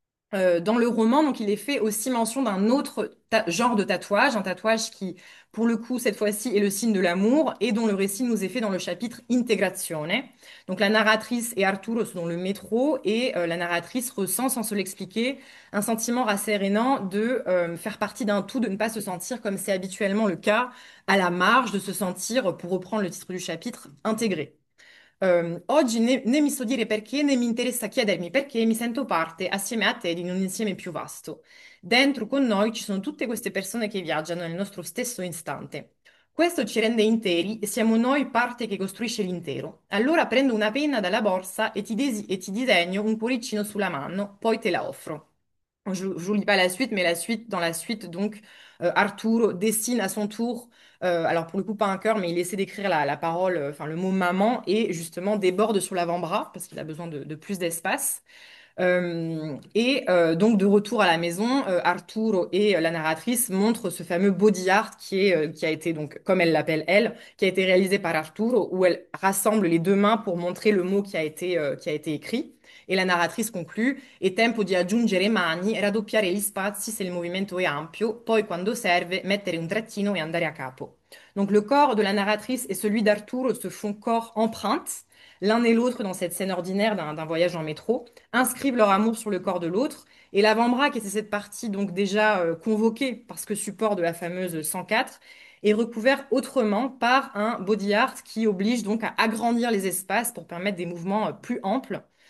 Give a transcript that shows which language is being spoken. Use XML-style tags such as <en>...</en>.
<fr>Dans le roman, donc, il est fait aussi mention d'un autre genre de tatouage, un tatouage qui, pour le coup, cette fois-ci, est le signe de l'amour et dont le récit nous est fait dans le chapitre Integrazione. Donc, la narratrice et Arturo sont dans le métro et la narratrice ressent, sans se l'expliquer, un sentiment rassérénant de faire partie d'un tout, de ne pas se sentir, comme c'est habituellement le cas, à la marge, de se sentir, pour reprendre le titre du chapitre, intégré.</fr> <it>Oggi né mi so dire perché, né mi interessa chiedermi perché, mi sento parte assieme a te di un insieme più vasto. Dentro con noi ci sono tutte queste persone che viaggiano nel nostro stesso istante. Questo ci rende interi e siamo noi parte che costruisce l'intero. Allora prendo una penna dalla borsa e ti disegno un cuoricino sulla mano, poi te la offro.</it> <fr>Je ne vous lis pas la suite, mais la suite, dans la suite, donc, Arturo dessine à son tour, alors pour le coup, pas un cœur, mais il essaie d'écrire la parole, enfin le mot maman, et justement déborde sur l'avant-bras, parce qu'il a besoin de plus d'espace. Donc, de retour à la maison, Arturo et la narratrice montrent ce fameux body art qui a été, donc, comme elle l'appelle elle, qui a été réalisé par Arturo, où elle rassemble les deux mains pour montrer le mot qui a été écrit. Et la narratrice conclut:</fr> <it>«È tempo di aggiungere mani, raddoppiare gli spazi se il movimento è ampio, poi quando serve mettere un trattino e andare a capo».</it> <fr>Donc le corps de la narratrice et celui d'Arturo se font corps empreinte, l'un et l'autre dans cette scène ordinaire d'un voyage en métro, inscrivent leur amour sur le corps de l'autre, et l'avant-bras, qui était cette partie donc déjà convoquée parce que support de la fameuse 104, est recouvert autrement par un body art qui oblige donc à agrandir les espaces pour permettre des mouvements plus amples.</fr>